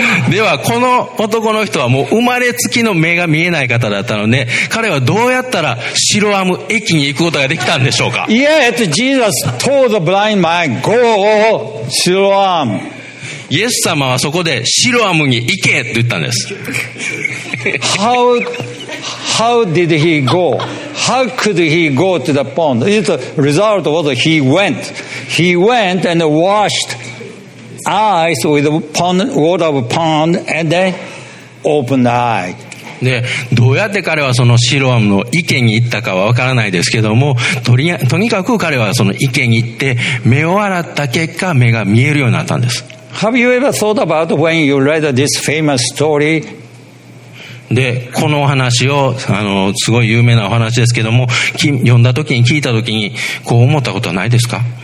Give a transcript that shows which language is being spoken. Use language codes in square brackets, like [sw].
[ja] ではこの男の人はもう生まれつきの目が見えない方だったので、彼はどうやったらシロアム駅に行くことができたんでしょうか。 [en] Yet Jesus told the blind man, "Go, Siloam." [ja] イエス様はそこでシロアムに行けと言ったんです。 [en] How did he go? How could he go to the pond? The result was he went. He went and washed. Eyes with pond, water of pond, and then open the eye. [ja] で、どうやって彼はそのシロアムの池に行ったかはわからないですけども、とにかく彼はその池に行って目を洗った結果目が見えるようになったんです。 [en] Have you ever thought about when you read this famous story? [ja] で、このお話を、すごい有名なお話ですけども、読んだ時に聞いた時に、こう思ったことはないですか？